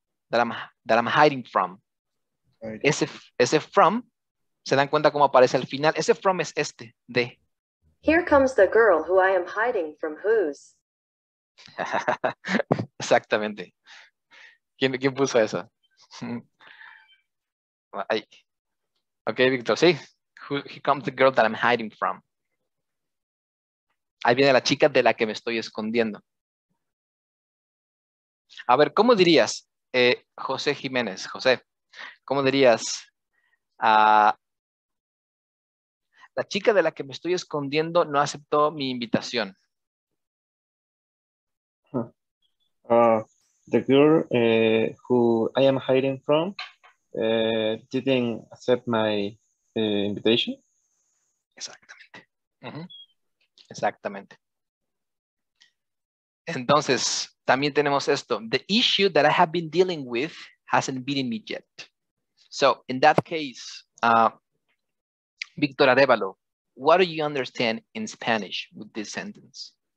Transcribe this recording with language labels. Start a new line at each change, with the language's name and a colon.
English: That I'm hiding from. Ese from...
Spanish: ¿Se dan cuenta cómo aparece al final? Ese from es este, de.
English: Here comes the girl who I am hiding from whose.
Spanish: Exactamente. ¿Quién puso eso? Ay. Okay, Victor, sí.
English: Here comes the girl that I'm hiding from.
Spanish: Ahí viene la chica de la que me estoy escondiendo. A ver, ¿cómo dirías, José Jiménez? José, ¿cómo dirías? La chica de la que me estoy escondiendo no aceptó mi invitación.
English: The girl who I am hiding from didn't accept my invitation.
Spanish: Exactamente. Uh-huh. Exactamente. Entonces, también tenemos esto.
English: The issue that I have been dealing with hasn't beaten me yet. So, in that case, Victor Arevalo, what do you understand in Spanish with this sentence?